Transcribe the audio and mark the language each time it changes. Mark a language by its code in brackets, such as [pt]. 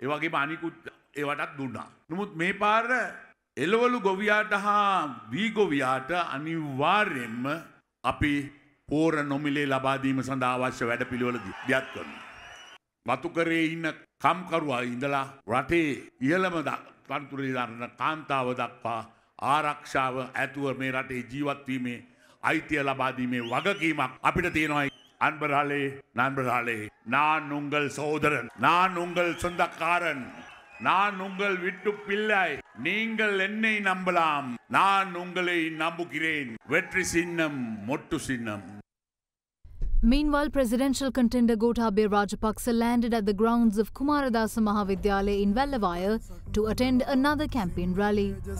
[si] ඒ වගේම අනිකුත් ඒවටත් දුන්නා. නමුත් මේ පාර එළවලු ගොවියාට හා වී ගොවියාට අනිවාර්යෙන්ම අපි පෝර නොමිලේ ලබා දීම සඳහා අවශ්‍ය වැඩපිළිවෙළදී ව්‍යත් කරනවා. වතුකරේ ඉන්න කම්කරුවා ඉඳලා රටේ ඉහළම තනතුරේ දරන කාන්තාව දක්වා ආරක්ෂාව ඇතුව මේ රටේ ජීවත් වීමේ අයිතිය ලබා දීමේ වගකීමක් අපිට තියෙනවා. [ta] අන්බරාලේ නන්බරාලේ නාන් උங்கள் சகோதரன் நான் உங்கள் சொந்தக்காரன் நான் உங்கள் விட்டு பிள்ளை நீங்கள் என்னை நம்பலாம் நான் உங்களை நம்புகிறேன் வெற்றி சின்னம் மொட்டு சின்னம். [en] Meanwhile, presidential contender Gotabaya Rajapaksa landed at the grounds of Kumaradasa Mahavidyalaya in Vellavaya to attend another campaign rally.